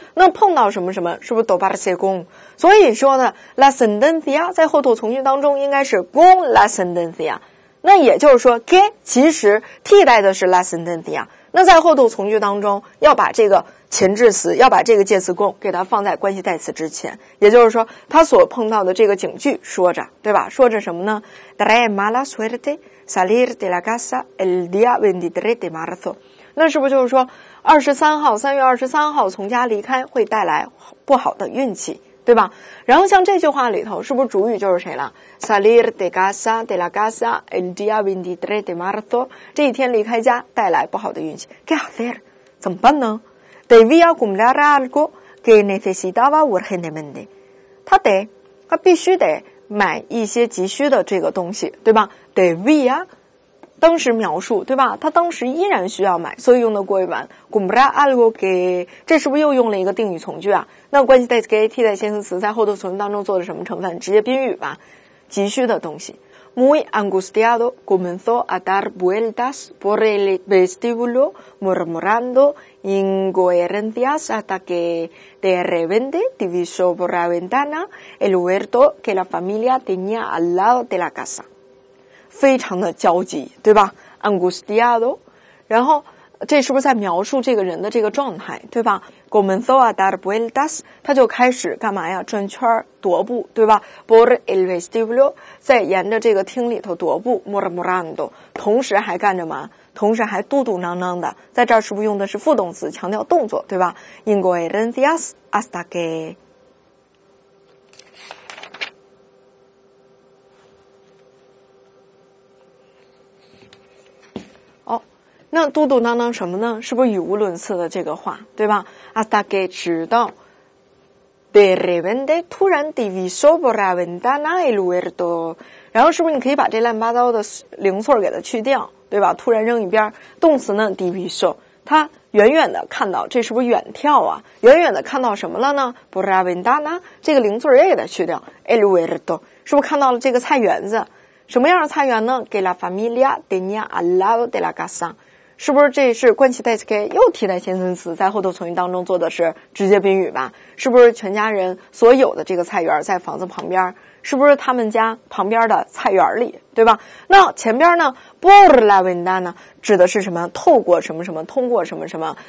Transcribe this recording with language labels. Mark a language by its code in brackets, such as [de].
[zh] 那碰到什么什么是不是 [es] doparse con, [zh] 所以说呢 la sentencia 在后头从句当中应该是 [es] con la sentencia, [zh] 那也就是说 que 其实替代的是 la sentencia, 那在后头从句当中要把这个前置词，要把这个介词共给它放在关系代词之前，也就是说他所碰到的这个警句说着，对吧？说着什么呢？ [es] Trae mala suerte salir de la casa el día 23 de marzo, [zh] 那是不是就是说23号，3月23号从家离开会带来不好的运气，对吧？然后像这句话里头是不是主语就是谁了？ [es] Salir de casa de la casa el día 23 de marzo, [zh] 这一天离开家带来不好的运气。 [es] ¿Qué hacer? [zh] 怎么办呢？ [es] Debía comprar algo que necesitaba urgentemente. [zh] 他必须得买一些急需的这个东西，对吧？ Debía 当时描述，对吧？他当时依然需要买，所以用的过于晚。 [es] comprar algo que， [zh] 这是不是又用了一个定语从句啊？那关系代词 que 替代先行词，在后头从句当中做的什么成分？直接宾语吧，急需的东西。 [es] Muy angustiado, comenzó a dar vueltas por el vestíbulo, murmurando incoherencias hasta que de repente divisó por la ventana el huerto que la familia tenía al lado de la casa. [zh] 非常的焦急，对吧 ？Angustiado， 然后这是不是在描述这个人的这个状态，对吧 ？ [es] Comenzó a dar vueltas， [zh] 他就开始干嘛呀？转圈踱步，对吧 ？ [es] Por el vestíbulo， [zh] 在沿着这个厅里头踱步 ，murmurando， 同时还干着嘛？同时还嘟嘟囔囔的，在这儿是不是用的是副动词，强调动作，对吧 ？ [es] Incoherencias hasta que。 [zh] 那嘟嘟囔囔什么呢？是不是语无伦次的这个话，对吧 ？ [es] Hasta que [zh] 直到 ， [es] de repente [zh] 突然 [es] divisó por la ventana el huerto， [zh] 然后是不是你可以把这烂八糟的零碎给它去掉，对吧？突然扔一边，动词呢 ，divisó， 他远远的看到，这是不是远眺啊？远远的看到什么了呢 ？ [es] por la ventana [zh] 这个零碎也给它去掉 ， [es] el huerto [zh] 是不是看到了这个菜园子？什么样的菜园呢 [es] ？que la familia tenía al lado de la casa。 [zh] 是不是这是关系代词 K 又替代先行词，在后头从句当中做的是直接宾语吧？是不是全家人所有的这个菜园在房子旁边？是不是他们家旁边的菜园里？对吧？那前边呢 ？ [es] Por la ventana [zh] 指的是什么？透过什么什么？通过什么什么？